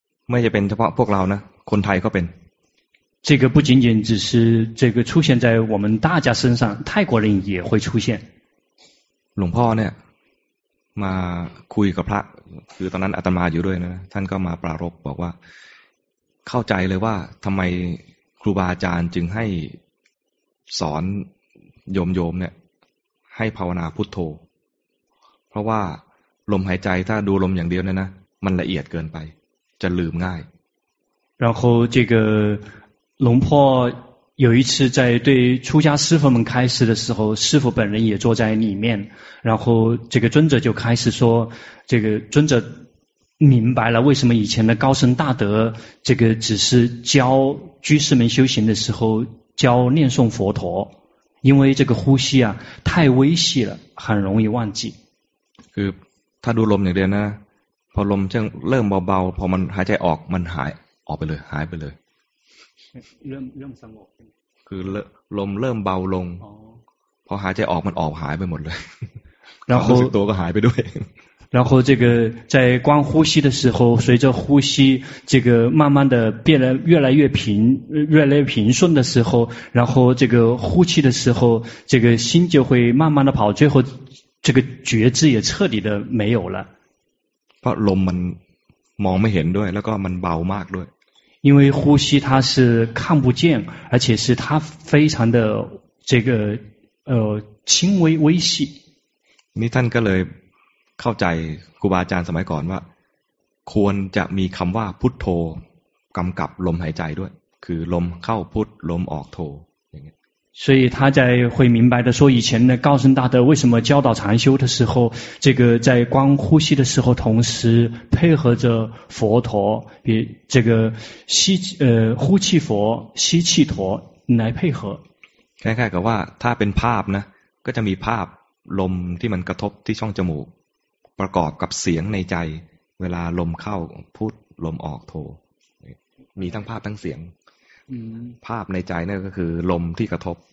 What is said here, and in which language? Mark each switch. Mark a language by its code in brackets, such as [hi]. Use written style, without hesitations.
[zh] 没有，只有我们，中国人也有。这个不仅仅只是这个出现在我们大家身上，泰国人也会出现。 [th] 龙婆呢，มาคุยกับพระคือตอนนั้นอาตมาอยู่ด้วยนะท่านก็มาปรารภบอกว่าเข้าใจเลยว่าทำไมครูบาอาจารย์จึงให้สอนโยมโยมเนี่ยให้ภาวนาพุทโธเพราะว่าลมหายใจถ้าดูลมอย่างเดียวเนี่ยนะมันละเอียดเกินไปจะลืมง่าย [zh] 然后这个龙婆有一次在对出家师父们开示的时候，师父本人也坐在里面，然后这个尊者就开始说，这个尊者明白了为什么以前的高僧大德，这个只是教居士们修行的时候教念诵佛陀，因为这个呼吸啊太微细了，很容易忘记。 [th] คือถ้าดูลมอย่างเดียวนะพอลมจะเริ่มเบาๆพอมันหายใจออกมันหายออกไปเลยหายไปเลย เริ่มสงบ คือลมเริ่มเบาลงพอหายใจออกมันออกหายไปหมดเลยความรู้สึกตัวก็หายไปด้วย [zh] 然后这个在光呼吸的时候随着呼吸这个慢慢的变得越来越平越来越平顺的时候然后这个呼气的时候这个心就会慢慢的跑最后这个觉知也彻底的没有了 [th] เพราะลมมันมองไม่เห็นด้วยแล้วก็มันเบามากด้วย [zh] 因为呼吸它是看不见而且是它非常的这个轻微微细 [th] นี่ท่านก็เลยเข้าใจครูบาอาจารย์สมัยก่อนว่าควรจะมีคำว่าพุทโธกำกับลมหายใจด้วยคือลมเข้าพุทลมออกโธ [zh] 所以他在会明白的说以前的高僧大德为什么教导禅修的时候这个在光呼吸的时候同时配合着佛陀比这个吸呼气佛吸气陀来配合看看看看他变 [th] ภาพ呢ก็จะมีภาพลมที่มันกระทบที่ช่องจมูกประกอบกับเสียงในใจเวลาลมเข้าพุทลมออกโธมีทั้งภาพทั้งเสียงภาพในใจนั่นก็คือลมที่กระทบ